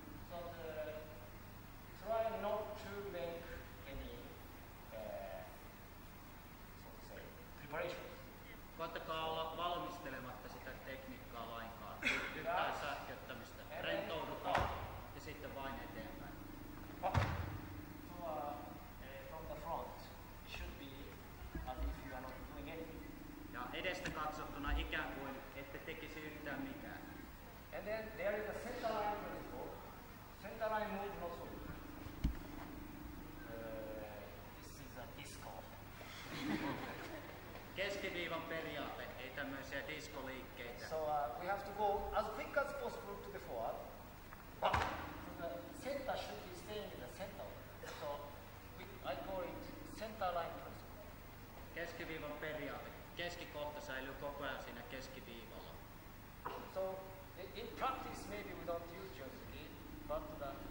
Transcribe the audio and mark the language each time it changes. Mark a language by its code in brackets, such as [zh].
[en] So try not to make any so to say preparation. [fi] Koettakaa olla valmistelematta sitä tekniikkaa lainkaan. Yhtään sähköttämistä. Rentoudutaan ja sitten vain eteenpäin. [en] From the front should be as if you are not doing anything. [fi] Ja edestä katsottuna ikään kuin ette tekisi yhtään mitään. [en] And then there is a center line principle. Center line moves not so good. This is a disco. [fi] Keskiviivan periaate, ei tämmöisiä diskoliikkeitä. [en] So we have to go as quick as possible to the forward. So the center should be staying in the center. So I call it center line principle. [fi] Keskiviivan periaate. Keskikohta säilyy koko ajan siinä keskiviivalla. [en] So in practice maybe we don't use jersey, but the